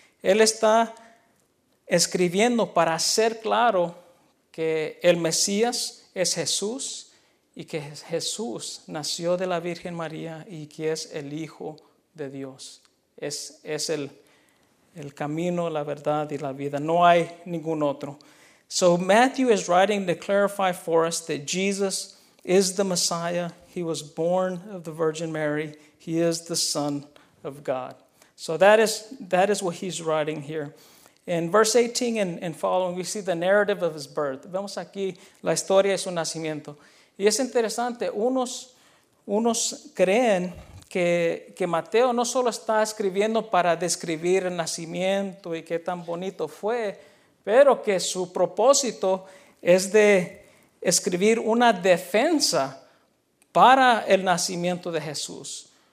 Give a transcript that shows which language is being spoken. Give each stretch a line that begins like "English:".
Spanish: Él está escribiendo para hacer claro que el Mesías es Jesús y que Jesús nació de la Virgen María y que es el Hijo de Dios. Es el camino, la verdad y la vida. No hay ningún otro.
English: So Matthew is writing to clarify for us that Jesus is the Messiah. He was born of the Virgin Mary. He is the Son of God. So that is what he's writing here. In verse 18 and following, we see the narrative of his birth.
Spanish: Vemos aquí la historia de su nacimiento. Y es interesante, unos creen que Mateo no solo está escribiendo para describir el nacimiento y qué tan bonito fue, pero que su propósito es de escribir una defensa para el nacimiento de Jesús.